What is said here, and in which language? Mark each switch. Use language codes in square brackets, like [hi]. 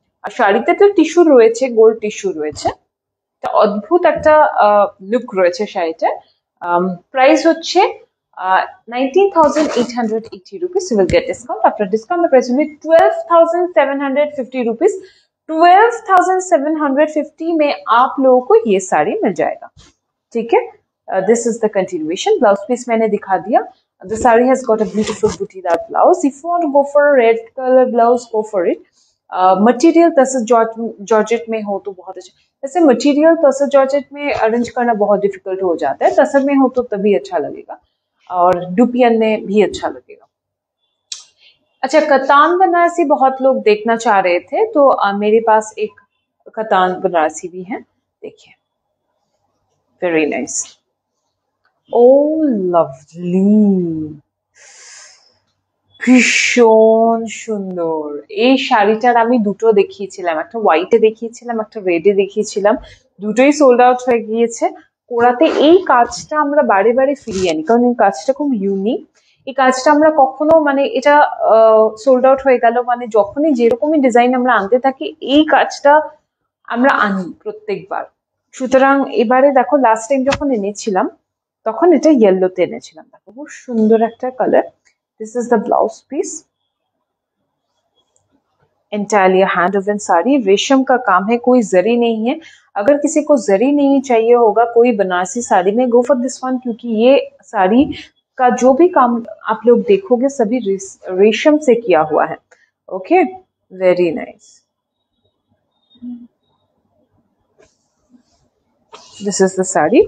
[bn] আর শাড়িতে তো টিস্যু রয়েছে, গোল্ড টিস্যু রয়েছে, একটা অদ্ভুত একটা লুক রয়েছে শাড়িটা। প্রাইস হচ্ছে [en] 19,880 rupees, you will get discount, after discount the price will be 12,750 rupees. [hi] 12,750 में आप लोगों को ये साड़ी मिल जाएगा, ठीक है? [en] This is the continuation. [hi] Blouse piece मैंने दिखा दिया, [en] The sari has got a beautiful बूटीदार blouse. If you want to go for a red colour blouse, go for it. [hi] Material tasar georgette में हो तो बहुत अच्छा, वैसे मटेरियल तसर जॉर्जेट में अरेंज करना बहुत डिफिकल्ट हो जाता है, तसर में हो तो तभी अच्छा लगेगा, और डुपियन में भी अच्छा लगेगा। अच्छा, कतान बनारसी बहुत लोग देखना चाह रहे थे, तो मेरे पास एक कतान बनारसी भी है, देखिए, [en] very nice, oh lovely, [bn] ভীষণ সুন্দর। এই শাড়িটার আমি দুটো দেখিয়েছিলাম, একটা হোয়াইটে দেখিয়েছিলাম, একটা রেডে দেখিয়েছিলাম, দুটোই সোল্ড আউট হয়ে গিয়েছে। কোরাতে এই কাজটা আমরা বারে বারে ফিরিয়ে আনি, কারণ এই কাজটা খুব ইউনিক। এই কাজটা আমরা কখনো মানে এটা সোল্ড আউট হয়ে গেল মানে যখনই যেরকমই ডিজাইন আমরা আনতে থাকি, এই কাজটা আমরা আনি প্রত্যেকবার। সুতরাং এবারে দেখো, লাস্ট টাইম যখন এনেছিলাম তখন এটা ইয়েলোতে এনেছিলাম, দেখো খুব সুন্দর একটা colour. [en] this is the blouse piece, entirely hand woven sari, [hi] রেশম কা কাম হ্যায়, কোই জরি নেই হ্যায়। अगर किसी को जरी नहीं चाहिए होगा कोई बनारसी साड़ी में, [en] go for this one, [hi] क्योंकि ये साड़ी का जो भी काम आप लोग देखोगे सभी रेशम से किया हुआ है। [en] Okay very nice, this is the sari.